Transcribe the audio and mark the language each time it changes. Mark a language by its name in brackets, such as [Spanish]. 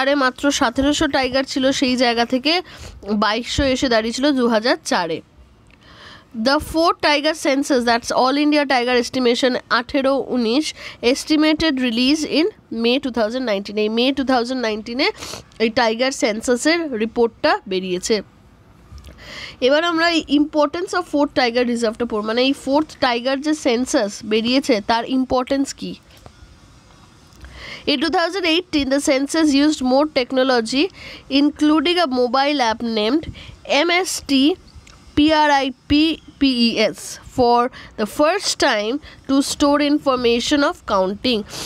[Bangla] 2004 মাত্র 1700 টাইগার ছিল সেই জায়গা থেকে 2200 এসে দাঁড়িয়ে ছিল 2004. [English] The four tiger census, that's All India Tiger Estimation 18-19, estimated release in May 2019. [Bangla] May 2019 এই টাইগার সেন্সাসের রিপোর্টটা বেরিয়েছে. এবার আমরা [English] importance of fourth tiger [Bangla] রিজার্ভটা পড়ব, মানে এই ফোর্থ টাইগার যে সেন্সাস বেরিয়েছে তার importance key. [English] In 2018 the census used more technology including a mobile app named MST PRIPPES for the first time to store information of counting.